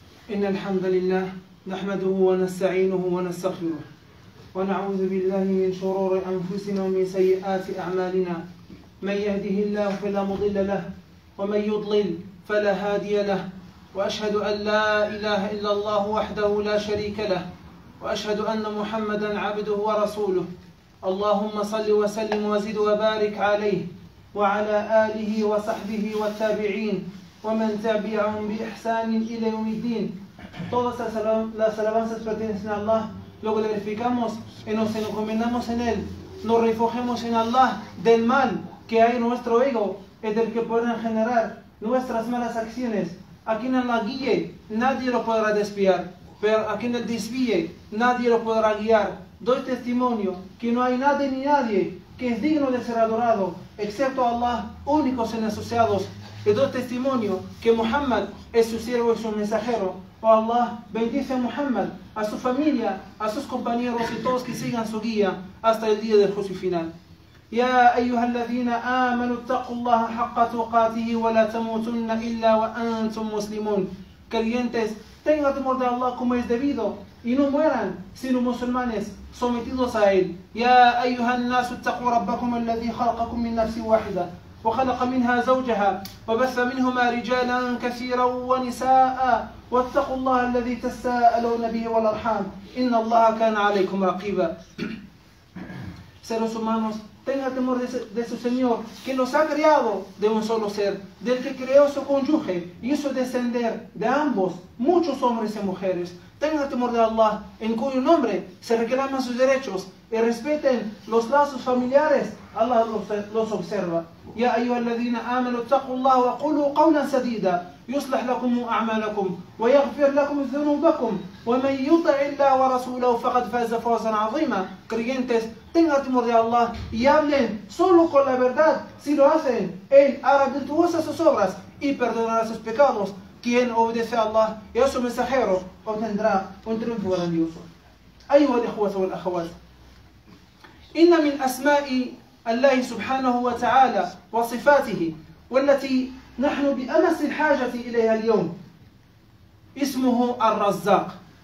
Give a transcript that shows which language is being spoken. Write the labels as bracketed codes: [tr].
[ar] إن الحمد لله نحمده ونستعينه ونستغفره ونعوذ بالله من شرور أنفسنا ومن سيئات أعمالنا، من يهده الله فلا مضل له ومن يضلل فلا هادي له، وأشهد أن لا إله إلا الله وحده لا شريك له، وأشهد أن محمدا عبده ورسوله. اللهم صل وسلم وزد وبارك عليه وعلى آله وصحبه والتابعين ومن تبعهم بإحسان إلى يوم الدين. [es] Todas las alabanzas pertenecen a Allah, lo glorificamos y nos encomendamos en Él. Nos refugiamos en Allah del mal que hay en nuestro ego, y del que pueden generar nuestras malas acciones. A quien Allah guíe, nadie lo podrá desviar, pero a quien Él desvíe, nadie lo podrá guiar. Doy testimonio que no hay nadie ni nadie que es digno de ser adorado, excepto Allah, únicos en asociados. Y doy testimonio que Muhammad es su siervo y su mensajero. Oh Allah, bendice a Muhammad, a su familia, a sus compañeros y todos que sigan su guía hasta el día del juicio final. [ar] يا أيها الذين آمنوا اتقوا الله حق تقاته ولا تموتن إلا وأنتم مسلمون. [es] Creyentes, tengan temor de Allah como es debido y no mueran sino musulmanes sometidos a Él. [ar] يا أيها الناس اتقوا ربكم الذي خلقكم من نفس واحدة وخلق منها زوجها وبث منهما رجالا كثيرا ونساء واتقوا الله الذي تساءلون به والأرحام إن الله كان عليكم رقيبا. [es] Seres humanos, tenga temor de su Señor, que los ha creado de un solo ser, del que creó su cónyuge y hizo descender de ambos muchos hombres y mujeres. Tenga temor de Allah, en cuyo nombre se reclaman sus derechos, y respeten los lazos familiares. Allah los observa. [ar] يا أيها الذين آمنوا اتقوا الله وقولوا قولا سديدا يصلح لكم أعمالكم ويغفر لكم ذنوبكم ومن يطع الله ورسوله فقد فاز فوزا عظيما. [es] Creyentes, tengan temor de Allah y hablen solo con la verdad. Si lo hacen, Él hará virtuosas sus obras y perdonará sus pecados. Quien obedece a Allah y a su mensajero obtendrá un triunfo grandioso. [ar] أيها الإخوة والأخوات, إن من أسماء الله سبحانه وتعالى وصفاته والتي نحن بأمس الحاجة إليها اليوم اسمه الرزاق.